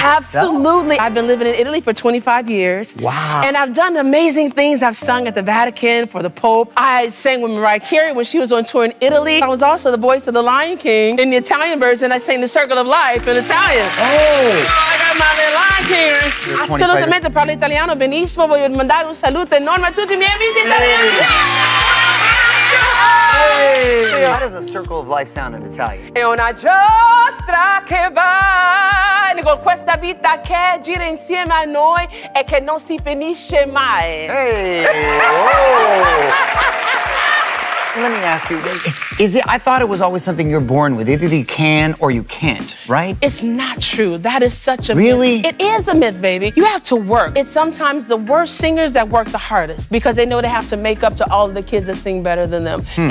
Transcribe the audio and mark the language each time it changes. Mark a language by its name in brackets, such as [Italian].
[English] Absolutely. I've been living in Italy for 25 years. Wow. And I've done amazing things. I've sung at the Vatican for the Pope. I sang with Mariah Carey when she was on tour in Italy. I was also the voice of the Lion King in the Italian version. I sang the Circle of Life in Italian. Oh. I got my little Lion King. [Italian] Assolutamente parlo italiano. Benissimo, voglio mandare un saluto enorme a tutti I miei amici italiani. [English] How does a circle of life sound in Italian? [Italian] È una giostra che va con questa vita che gira insieme a noi e che non si finisce mai. [English] Let me ask you, is it, I thought it was always something you're born with. Either you can or you can't, right? It's not true. That is such a really? Myth. It is a myth, baby. You have to work. It's sometimes the worst singers that work the hardest because they know they have to make up to all of the kids that sing better than them. Hmm.